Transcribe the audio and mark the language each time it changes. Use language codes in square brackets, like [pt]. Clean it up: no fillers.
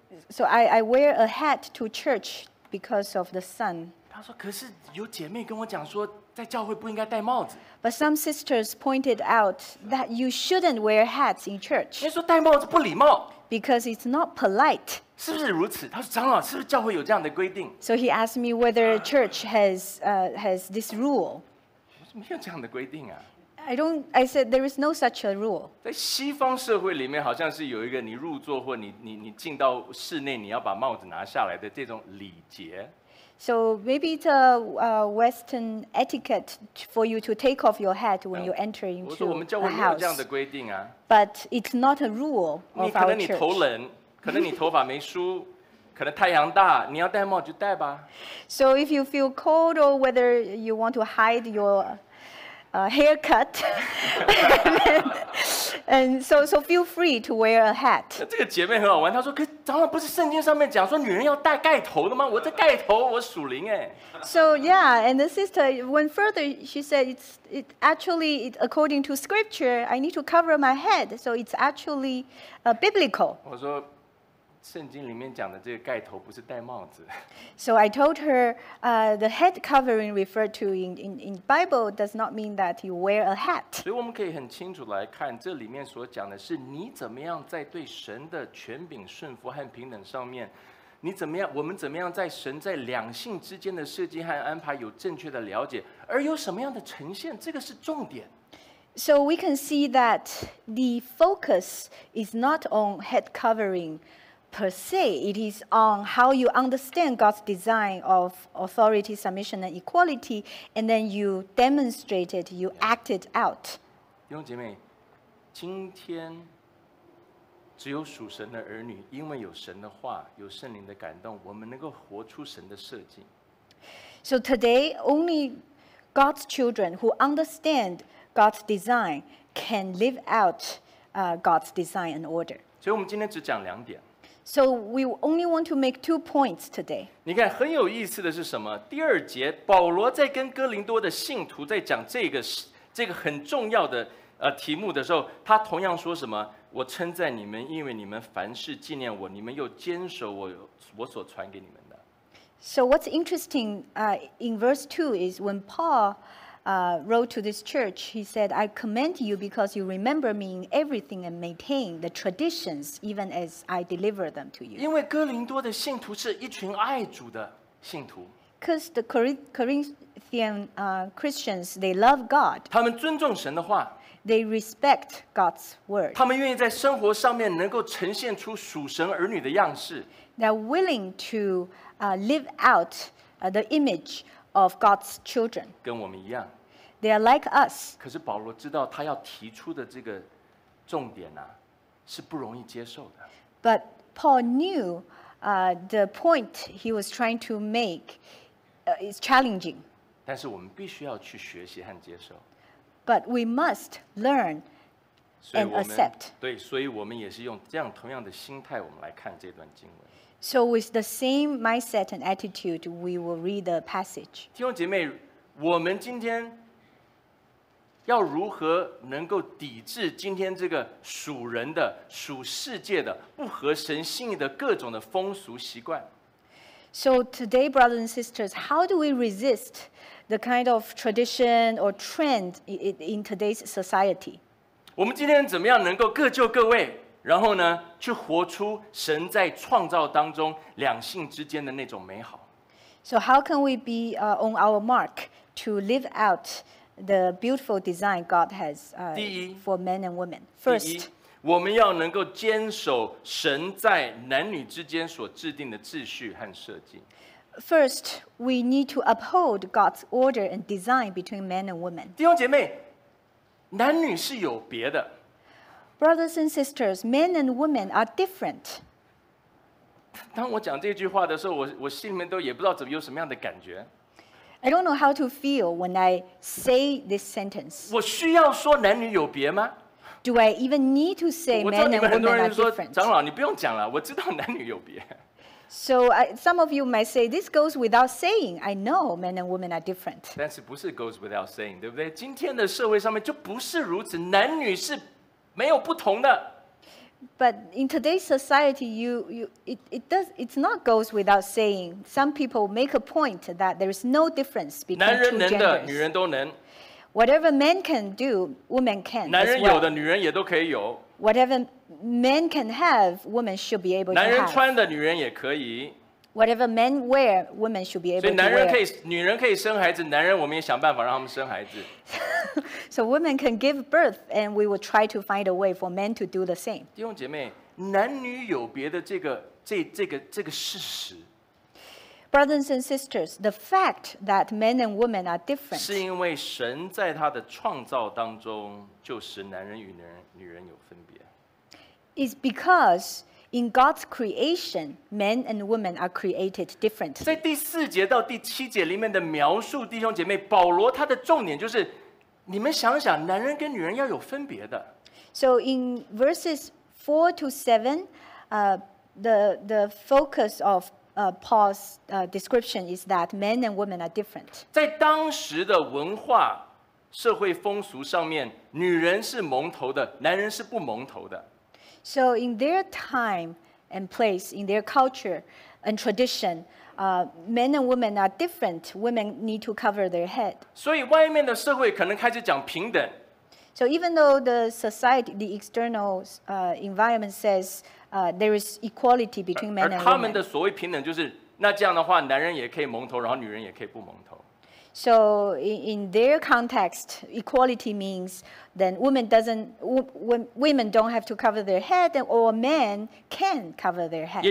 [en] So I wear a hat to church because of the sun. [zh] 他说，可是有姐妹跟我讲说，在教会不应该戴帽子。 [en] But some sisters pointed out that you shouldn't wear hats in church. [zh] 因为说戴帽子不礼貌。 [en] Because it's not polite. [zh] 是不是如此？他说，长老，是不是教会有这样的规定 [en] ？So he asked me whether church has this rule. [zh] 我说没有这样的规定啊。 [en] I said there is no such a rule. [zh] 在西方社会里面，好像是有一个你入座或你进到室内，你要把帽子拿下来的这种礼节。 [en] So maybe it's a Western etiquette for you to take off your hat when you enter into a house. [zh] 我说我们教会没有这样的规定啊。 [en] But it's not a rule of our church. [zh] 你可能你头冷，可能你头发没梳。可能太阳大，你要戴帽就戴吧。 [en] So if you feel cold or whether you want to hide your haircut, and so feel free to wear a hat. [zh] 这个姐妹很好玩，她说：“可长老不是圣经上面讲说女人要戴盖头的吗？我这盖头，我属灵哎。” [en] So yeah, and the sister went further. She said, "It's actually according to scripture. I need to cover my head, so it's actually biblical." [zh] 我说，圣经里面讲的这个盖头不是戴帽子。 [en] So I told her, the head covering referred to in Bible does not mean that you wear a hat. [zh] 所以我们可以很清楚来看，这里面所讲的是你怎么样在对神的权柄顺服和平等上面，你怎么样，我们怎么样在神在两性之间的设计和安排有正确的了解，而有什么样的呈现，这个是重点。 [en] So we can see that the focus is not on head covering. Per se, it is on how you understand God's design of authority, submission, and equality, and then you demonstrate it, you act it out. [zh] 弟兄姐妹，今天只有属神的儿女，因为有神的话，有圣灵的感动，我们能够活出神的设计。 [en] So today, only God's children who understand God's design can live out God's design and order. [zh] 所以我们今天只讲两点。 [en] So we only want to make two points today. [zh] 你看很有意思的是什么？第二节，保罗在跟哥林多的信徒在讲这个很重要的题目的时候，他同样说什么？我称赞你们，因为你们凡事纪念我，你们又坚守我所传给你们的。 [en] So what's interesting, in verse 2 is when Paul wrote to this church, he said, I commend you because you remember me in everything and maintain the traditions even as I deliver them to you. [zh] 因为哥林多的信徒是一群爱主的信徒。 [en] Because the Corinthian Christians, they love God. [zh] 他们尊重神的话。 [en] They respect God's word. [zh] 他们愿意在生活上面能够呈现出属神儿女的样式。 [en] They're willing to live out the image of God's children. [zh] 跟我们一样。 [en] They are like us. [zh] 可是保罗知道他要提出的这个重点啊，是不容易接受的。 [en] But Paul knew the point he was trying to make is challenging. [zh] 但是我们必须要去学习和接受。 [en] But we must learn and accept. [zh] 对，所以我们也是用这样同样的心态，我们来看这段经文。 [en] So with the same mindset and attitude, we will read the passage. [zh] 弟兄姐妹，我们今天要如何能够抵制今天这个属人的、属世界的、不合神心意的各种的风俗习惯？ [en] So today, brothers and sisters, how do we resist the kind of tradition or trend in today's society? [zh] 我们今天怎么样能够各就各位？然后呢，去活出神在创造当中两性之间的那种美好。 [en] So how can we be on our mark to live out the beautiful design God has for men and women? [zh] First, 第一，我们要能够坚守神在男女之间所制定的秩序和设计。 [en] First, we need to uphold God's order and design between men and women. [zh] 弟兄姐妹，男女是有别的。 [en] Brothers and sisters, men and women are different. [zh] 当我讲这句话的时候，我心里面都也不知道怎么有什么样的感觉。 [en] I don't know how to feel when I say this sentence. [zh] 我需要说男女有别吗？ [en] Do I even need to say men and women are different? [zh] 长老，你不用讲了，我知道男女有别。 [en] So some of you might say this goes without saying. I know men and women are different. [zh] 但是不是 [en] goes without saying, [zh] 对不对？今天的社会上面就不是如此，男女是。没有不同的。 [en] But in today's society, it's not goes without saying. Some people make a point that there is no difference between two genders. [zh] 男人能的，女人都能。 [en] Whatever men can do, women can. [zh] 男人有的，女人也都可以有。 [en] Whatever men can have, women should be able to have. [zh] 男人穿的，女人也可以。 [en] Whatever men wear, women should be able to wear. [zh] 所以男人可以，女人可以生孩子，男人我们也想办法让他们生孩子。 [en] So women can give birth, and we will try to find a way for men to do the same. [zh] 弟兄姐妹，男女有别的这个事实。 [en] Brothers and sisters, the fact that men and women are different. [zh] 是因为神在他的创造当中就使男人与女人有分别。 [en] Is because in God's creation, men and women are created differently. [zh] 在第四节到第七节里面的描述，弟兄姐妹，保罗他的重点就是，你们想想，男人跟女人要有分别的。 [en] So in verses 4 to 7, the focus of Paul's description is that men and women are different. [zh] 在当时的文化、社会风俗上面，女人是蒙头的，男人是不蒙头的。 [en] So in their time and place, in their culture and tradition, men and women are different. Women need to cover their head. [zh] 所以外面的社会可能开始讲平等。 [en] So even though the society, the external environment says there is equality between men and women. [zh] 而他们的所谓平等就是，那这样的话，男人也可以蒙头，然后女人也可以不蒙头。 [en] So in their context, equality means then women don't have to cover their head, or men can cover their head.